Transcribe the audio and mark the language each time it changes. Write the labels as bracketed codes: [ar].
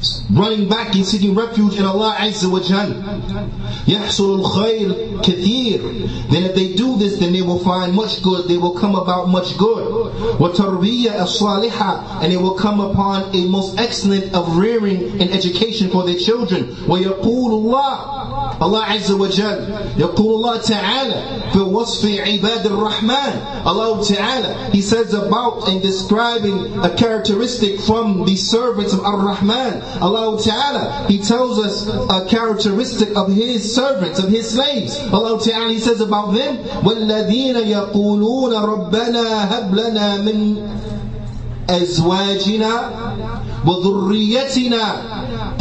[en] Running back and seeking refuge in Allah Azza wa Jal. [ar] يحصل الخير كثير. [en] Then if they do this, then they will find much good. They will come about much good. [ar] وتربية الصالحة. [en] And they will come upon a most excellent of rearing and education for their children. [ar] ويقول الله. Allah Azza wa Jal. يقول الله تعالى في وصف عباد الرحمن. [en] Allah Ta'ala, he says about and describing a characteristic from the servants of Ar-Rahman. Allah Ta'ala, he tells us a characteristic of his servants, of his slaves. [ar] Allah Ta'ala, [en] he says about them, [ar] وَالَّذِينَ يَقُولُونَ رَبَّنَا هَبْ لَنَا مِنْ أَزْوَاجِنَا وَذُرِّيَّتِنَا